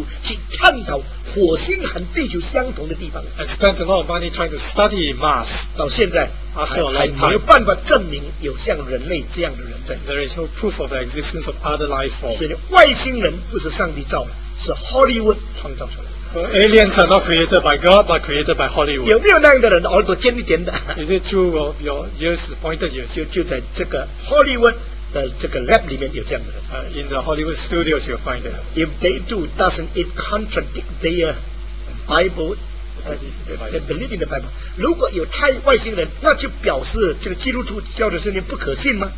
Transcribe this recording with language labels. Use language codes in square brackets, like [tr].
[zh] 再用很多的钱去企图去探讨火星和地球相同的地方。 [en] And spent a lot of money trying to study Mars. [zh] 到现在， [en] after a long time, [zh] 还没有办法证明有像人类这样的人在。 There is no proof of the existence of other life forms. 所以外星人不是上帝造的。是 Hollywood 创造出来的。 [en] So aliens are not created by God, but created by Hollywood. [zh] 有没有那样的人，耳朵尖一点的？ [en] Is it true of your ears, pointed ears? [zh] 就在这个 Hollywood 的这个 lab 里面有这样的人。 [en] In the Hollywood studios, you'll find it. If they do, doesn't it contradict their Bible? They believe in the Bible. [zh] 如果有外星人，那就表示这个基督徒教的圣经不可信吗？